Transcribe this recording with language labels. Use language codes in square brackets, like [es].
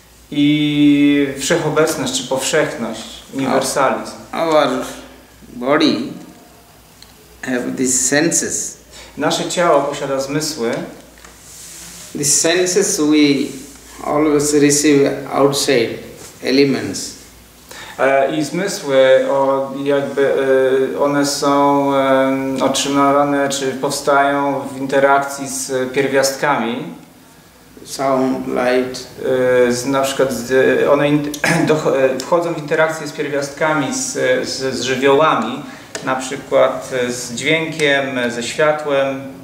[pl] I wszechobecność, czy powszechność, uniwersalizm. [en] Our body have these senses. [pl] Nasze ciało posiada zmysły. [en] The senses we always receive outside elements. [pl] I zmysły, jakby one są otrzymywane, czy powstają w interakcji z pierwiastkami. [en] Sound, light. [pl] Na przykład one wchodzą w interakcję z pierwiastkami, z żywiołami, na przykład z dźwiękiem, ze światłem.